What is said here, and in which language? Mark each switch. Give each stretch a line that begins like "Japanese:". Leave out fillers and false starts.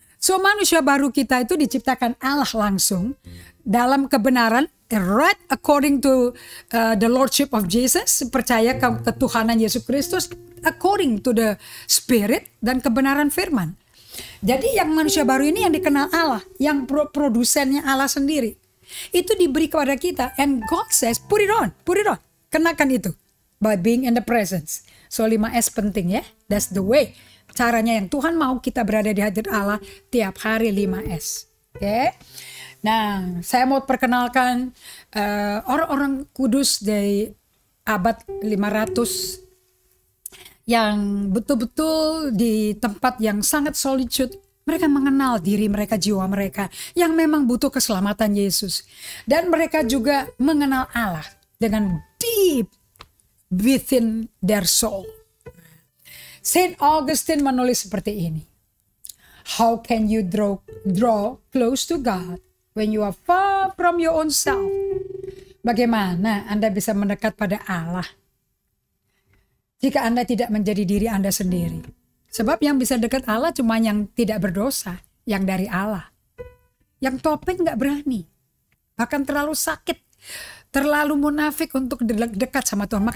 Indonesian: So, manusia baru kita itu diciptakan Allah langsung dalam kebenaran,
English: right according to the Lordship of Jesus,
Indonesian: percaya ketuhanan Yesus Kristus,
English: according to the Spirit
Indonesian: dan kebenaran firman. Jadi yang manusia baru ini yang dikenal Allah, yang produsennya Allah sendiri, itu diberi kepada kita.
English: And God says, put it on,
Indonesian: kenakan itu,
English: by being in the presence.
Indonesian: So 5S penting ya,
English: that's the way,
Indonesian: caranya yang Tuhan mau kita berada di hadirat Allah tiap hari, 5S. Oke, okay? Nah, saya mau perkenalkan orang-orang kudus dari abad 500 yang betul-betul di tempat yang sangat solitude. Mereka mengenal diri mereka, jiwa mereka yang memang butuh keselamatan Yesus. Dan mereka juga mengenal Allah dengan
English: deep within their soul.
Indonesian: Saint Augustine menulis seperti ini.
English: How can you draw close to God when you are far from your own self?
Indonesian: Bagaimana Anda bisa mendekat pada Allah jika Anda tidak menjadi diri Anda sendiri? Sebab yang bisa dekat Allah cuma yang tidak berdosa, yang dari Allah. Yang topeng gak berani, bahkan terlalu sakit, terlalu munafik untuk dekat sama Tuhan.